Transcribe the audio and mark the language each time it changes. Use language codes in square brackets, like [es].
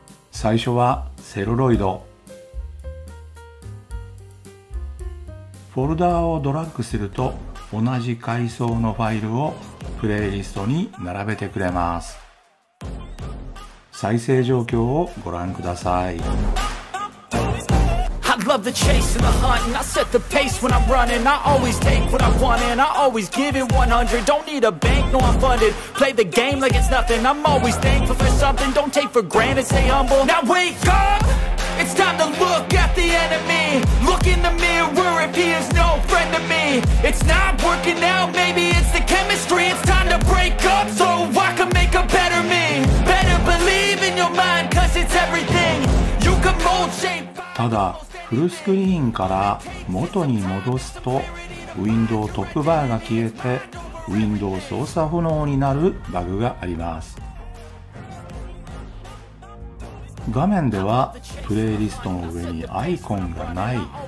[ja] 最初はセルロイド。フォルダーをドラッグすると同じ階層のファイルをプレイリストに並べてくれます。再生状況をご覧ください。 [en] Love the chase and the hunt, and I set the pace when I'm running. I always take what I want, and I always give it 100. Don't need a bank, no, I'm funded. Play the game like it's nothing. I'm always thankful for something. Don't take for granted, stay humble. Now wake up, it's time to look at the enemy. Look in the mirror if he is no friend to me. It's not working out, maybe it's the chemistry. It's time to break up so I can make a better me. Better believe in your mind, cause it's everything. You can mold shape. [ja] ただフルスクリーンから元に戻すと、ウィンドウトップバーが消えて、ウィンドウ操作不能になるバグがあります。画面ではプレイリストの上にアイコンがない。